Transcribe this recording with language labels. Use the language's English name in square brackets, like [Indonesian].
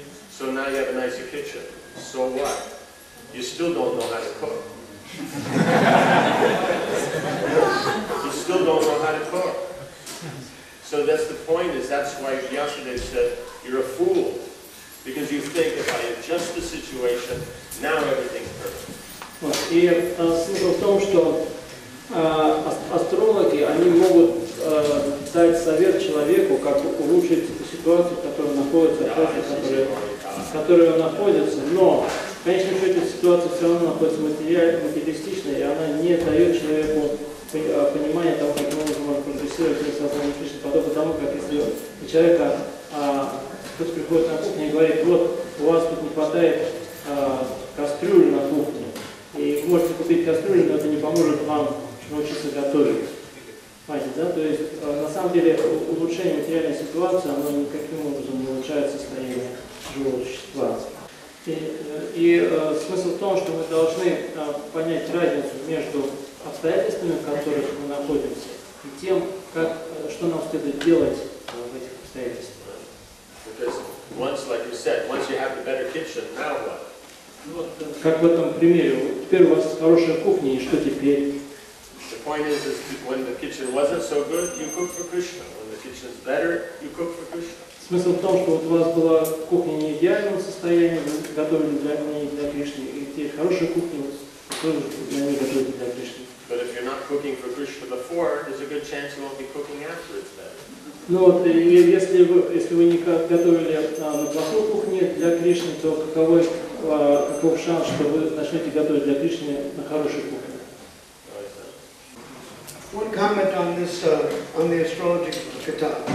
[English] So now you have a nicer kitchen. So what? You still don't know how to cook. You still don't know how to cook. So that's the point, is that's why yesterday said, you're a fool. Because you think if I adjust the situation, now everything's perfect. [Russian] И смысл в том, что астрологи, они могут дать совет человеку, как улучшить ситуацию, в которой находится, в которой он находится, но в конечном счете ситуация все равно находится материалистичной, и она не дает человеку понимания того, как он может прогрессировать или создать Кришну, подобно тому, как если у человека кто-то приходит на кухню и говорит, вот у вас тут не хватает кастрюли на кухне, и вы можете купить кастрюлю, но это не поможет вам научиться готовить. Понимаете, да? То есть на самом деле улучшение материальной ситуации, оно никаким образом не улучшает состояние живого существа. И смысл в том, что мы должны понять разницу между обстоятельствами, в которых мы находимся, и тем, как, что нам следует делать в этих обстоятельствах. [English] Once, like you said, once you have the better kitchen, now what? [Russian] Как в этом примере, теперь у вас хорошая кухня, и что теперь? [English] The point is when the kitchen wasn't so good, you cook for Krishna. When the kitchen's better, you cook for Krishna. [Russian] Смысл в том, что вот у вас была кухня не в идеальном состоянии, вы готовили для Кришны, и те хорошие кухни тоже для них готовили для Кришны. [English] But if you're not cooking for Krishna before, there's a good chance you won't be cooking after it's better. [Russian] Ну вот, если вы не готовили на плохой кухне для Кришны, то каков шанс, что вы начнете готовить для Кришны на хорошей кухне? [English] One comment on this on the astrology kata.